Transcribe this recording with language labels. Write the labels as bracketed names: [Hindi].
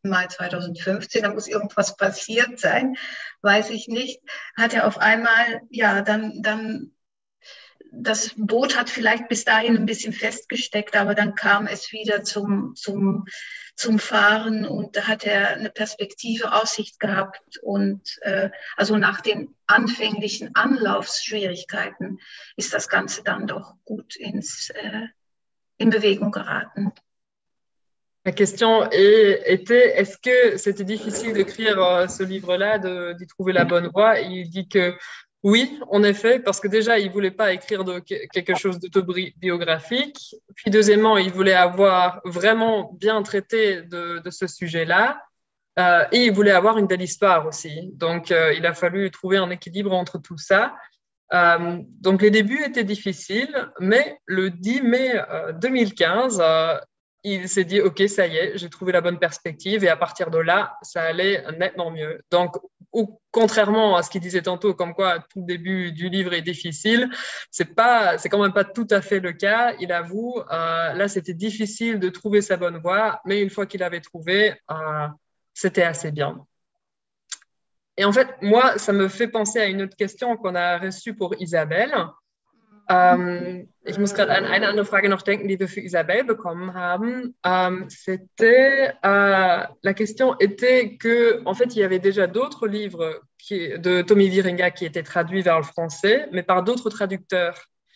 [German] Mai 2015, da muss irgendwas passiert sein, weiß ich nicht, hat er auf einmal, ja, dann das Boot hat vielleicht bis dahin ein bisschen festgesteckt, aber dann kam es wieder zum Fahren und da hat er eine Perspektive, Aussicht gehabt und also nach den anfänglichen Anlaufschwierigkeiten ist das Ganze dann doch gut in Bewegung geraten. [French] La question était, est-ce que c'était difficile d'écrire ce livre-là, d'y trouver la bonne voie? Et il dit que oui, en effet, parce que déjà, il ne voulait pas écrire quelque chose d'autobiographique. Puis deuxièmement, il voulait avoir vraiment bien traité de ce sujet-là. Et il voulait avoir une belle histoire aussi. Donc, il a fallu trouver un équilibre entre tout ça. Donc, les débuts étaient difficiles, mais le 10 mai 2015... il s'est dit, OK, ça y est, j'ai trouvé la bonne perspective. Et à partir de là, ça allait nettement mieux. Donc, contrairement à ce qu'il disait tantôt, comme quoi tout début du livre est difficile, c'est quand même pas tout à fait le cas. Il avoue, là, c'était difficile de trouver sa bonne voie. Mais une fois qu'il l'avait trouvé, c'était assez bien. Et en fait, moi, ça me fait penser à une autre question qu'on a reçue pour Isabelle. [German] Ich muss gerade an eine andere Frage noch denken, die wir für Isabelle bekommen haben. [French] La question était que, en fait, il y avait déjà d'autres livres de Tommy Wieringa qui étaient traduits vers le français, mais par d'autres traducteurs.